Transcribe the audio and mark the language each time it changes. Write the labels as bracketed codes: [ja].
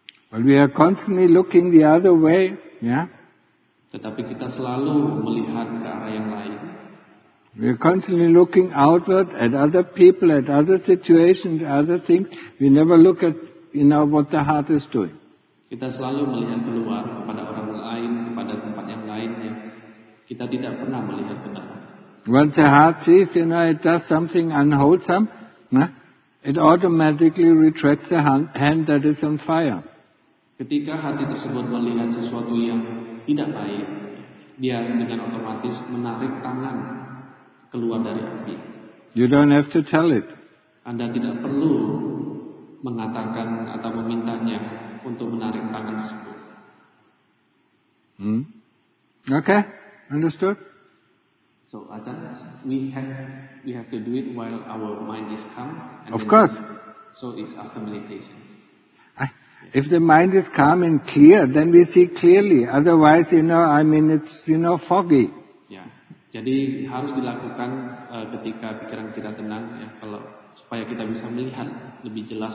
[en] But we are constantly looking the other way, ya. Yeah? [id] Tetapi kita selalu melihat ke arah yang lain. [en] We are constantly looking outward at other people, at other situations, other things. We never look at, you know, what the heart is doing. [id] Kita selalu melihat keluar kepada orang lain, kepada tempat yang lain. Kita tidak pernah melihat ke dalam. [en] Once the heart sees, you know, it does something unwholesome, nah, it automatically retracts the hand that is on fire. [id] Ketika hati tersebut melihat sesuatu yang tidak baik, dia dengan otomatis menarik tangan keluar dari api. [en] You don't have to tell it. [id] Anda tidak perlu mengatakan atau memintanya untuk menarik tangan tersebut. [en] Okay, understood? So, Ajahn, we have to do it while our mind is calm. And of course. So it's after meditation. If the mind is calm and clear, then we see clearly. Otherwise, you know, I mean, it's, you know, foggy. Yeah. [id] Jadi harus dilakukan ketika pikiran kita tenang, ya, kalau supaya kita bisa melihat lebih jelas.